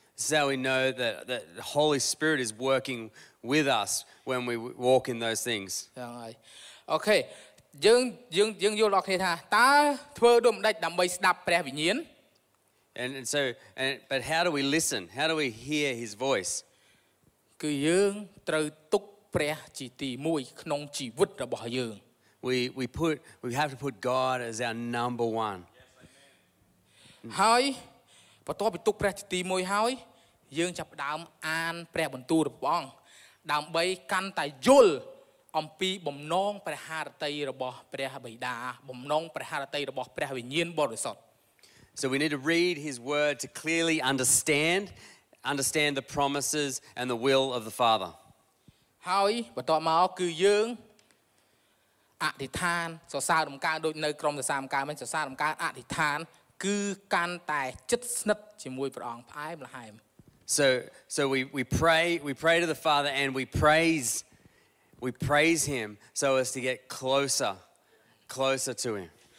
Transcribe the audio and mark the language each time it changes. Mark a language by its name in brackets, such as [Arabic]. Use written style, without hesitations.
[English] So we know that the Holy Spirit is working with us when we walk in those things. Okay. [Khmer] យើងយល់ដល់គ្នាថាតើធ្វើដូចម្ដេចដើម្បីស្ដាប់ព្រះវិញ្ញាណ [English] And so how do we listen? How do we hear his voice? [Khmer] គឺយើងត្រូវទុកព្រះជាទីមួយក្នុងជីវិតរបស់យើង [English] We have to put God as our number one. [Khmer] ហើយបន្ទាប់ពីទុកព្រះទី1ហើយយើងចាប់ផ្ដើមអានព្រះបន្ទូលរបស់អង្គដើម្បីកាន់តែយល់អំពីបំណងព្រះហឫទ័យរបស់ព្រះបិតាបំណងព្រះហឫទ័យរបស់ព្រះវិញ្ញាណបរិសុទ្ធ [English] So we need to read his word to clearly understand the promises and the will of the Father [Khmer] ហើយបន្ទាប់មកគឺយើងអធិដ្ឋានសរសើររំកើដូចនៅក្រុមសាមកាមិញសរសើររំកើអធិដ្ឋានគឺកាន់តែជិតស្និទ្ធជាមួយព្រះអង្គផ្អែមល្ហែម [English] So we pray to the Father and we praise him so as to get closer to him